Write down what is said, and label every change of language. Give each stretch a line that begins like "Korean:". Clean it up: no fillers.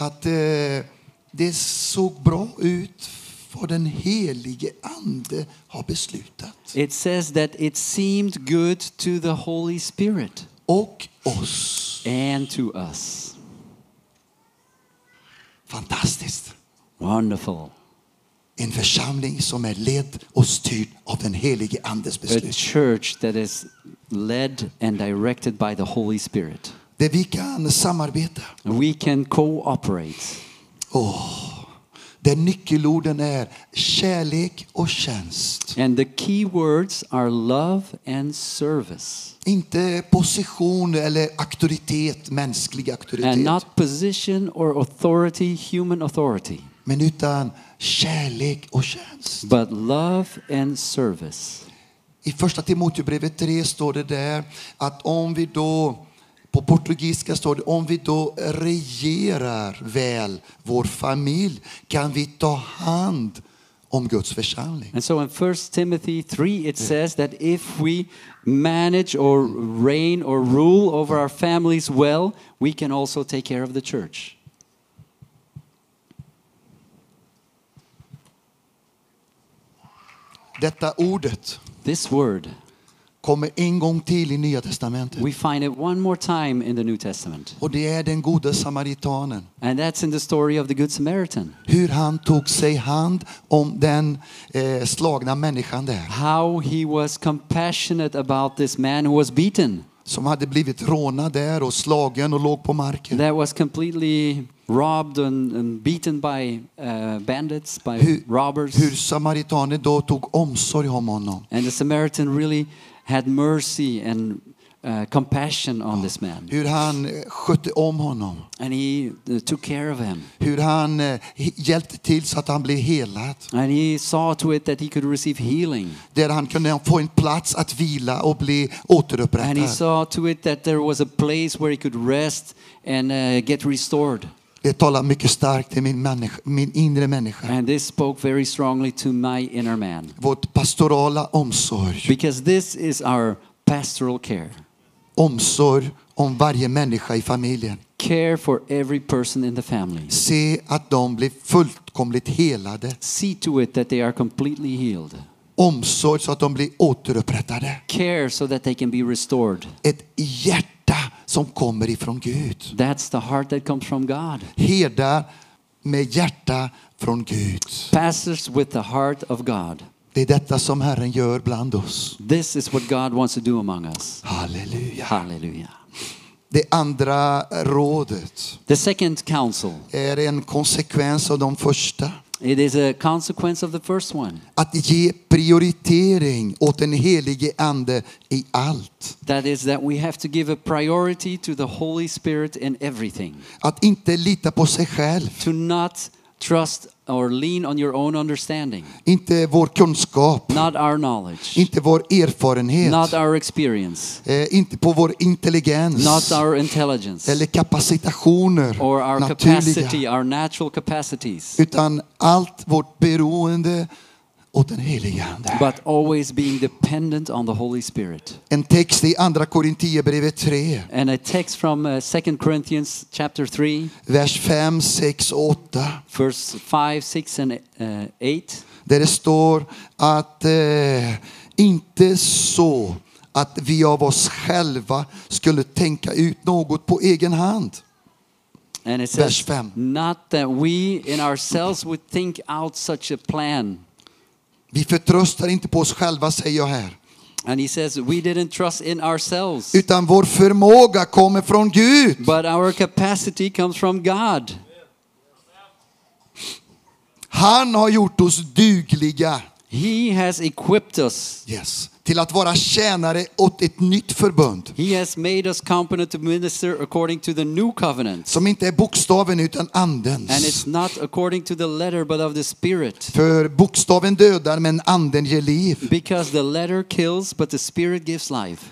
Swedish: att det såg bra ut för den helige ande har beslutat.
English: It says that it seemed good to the Holy Spirit.
Swedish: Och oss.
English: And to us.
Swedish: Fantastiskt.
English: Wonderful.
Swedish: En församling som är ledd och styrd av den helige andes beslut.
English: A church that is led and directed by the Holy Spirit.
Swedish: Där vi kan samarbeta.
English: We can cooperate.
Swedish: Oh, den nyckelorden är kärlek och tjänst.
English: And the key words are love and service.
Swedish: Inte position eller auktoritet, mänsklig auktoritet.
English: And not position or authority, human authority.
Swedish: Men utan kärlek och tjänst.
English: But love and service.
Swedish: I första Timoteusbrevet 3 står det där att om vi då på portugisiska står det, om vi då regerar väl vår familj kan vi ta hand om Guds församling.
English: And so in 1 Timothy 3 it says that if we manage or reign or rule over our families well, we can also take care of the church.
Swedish: Detta ordet.
English: This word.
Swedish: Kommer en gång till i Nya testamentet.
English: We find it one more time in the New Testament.
Swedish: Och det är den gode samaritanen.
English: And that's in the story of the good Samaritan.
Swedish: Hur han tog sig hand om den slagna människan där.
English: How he was compassionate about this man who was beaten.
Swedish: Som hade blivit rånad där och slagen och låg på marken.
English: That was completely robbed and beaten by bandits, by robbers.
Swedish: Hur samaritanen då tog omsorg om honom.
English: And the Samaritan really had mercy and compassion on this man.
Swedish: Hur han skötte om honom.
English: And he took care of him.
Swedish: Hur han hjälpte till så att han blev helad.
English: And he saw to it that he could receive healing.
Swedish: Där han kunde få en plats att vila och bli återupprättad.
English: And he saw to it that there was a place where he could rest and get restored.
Swedish: Det talar mycket starkt i min inre människa.
English: And this spoke very strongly to my inner man.
Swedish: Vårt pastorala omsorg.
English: Because this is our pastoral care.
Swedish: Omsorg om varje människa i familjen.
English: Care for every person in the family.
Swedish: Se att de blir fullkomligt helade.
English: See to it that they are completely healed.
Swedish: Omsorg så att de blir återupprättade.
English: Care so that they can be restored.
Swedish: Ett hjärta som kommer ifrån Gud.
English: That's the heart that comes from God.
Swedish: Herdar med hjärta från Gud.
English: Pastors with the heart of God.
Swedish: Det är detta som Herren gör bland oss.
English: This is what God wants to do among us.
Swedish: Halleluja.
English: Halleluja.
Swedish: Det andra rådet.
English: The second counsel.
Swedish: Är en konsekvens av de första.
English: It is a consequence of the first one.
Swedish: Att ge prioritering åt den helige ande i allt.
English: That is that we have to give a priority to the Holy Spirit in everything.
Swedish: Att inte lita på sig själv.
English: To not trust or lean on your own understanding.
Swedish: Inte vår kunskap.
English: Not our knowledge.
Swedish: Inte vår erfarenhet.
English: Not our experience.
Swedish: Inte på vår intelligens.
English: Not our intelligence.
Swedish: Eller kapacitationer.
English: Or our
Swedish: naturliga.
English: Capacity, our natural capacities.
Swedish: Utan allt vårt beroende åt den helige ande.
English: But always being dependent on the Holy Spirit.
Swedish: En text i andra Korintierbrevet 3.
English: And a text from 2 Corinthians chapter 3.
Swedish: Vers 5, 6, 8.
English: Verse 5, 6 and 8.
Swedish: Där det står att inte så att vi av oss själva skulle tänka ut något på egen hand.
English: And it says, not that we in ourselves would think out such a plan.
Swedish: Vi förtröstar inte på oss själva, säger jag här.
English: And he says we didn't trust in ourselves.
Swedish: Utan vår förmåga kommer från Gud.
English: But our capacity comes from God.
Swedish: Han har gjort oss dugliga.
English: He has equipped us. Yes.
Swedish: Till att vara tjänare åt ett nytt förbund.
English: He has made us competent to minister according to the new covenant.
Swedish: Som inte är bokstaven utan andens.
English: And it's not according to the letter but of the spirit.
Swedish: För bokstaven dödar men anden ger liv.
English: Because the letter kills but the spirit gives life.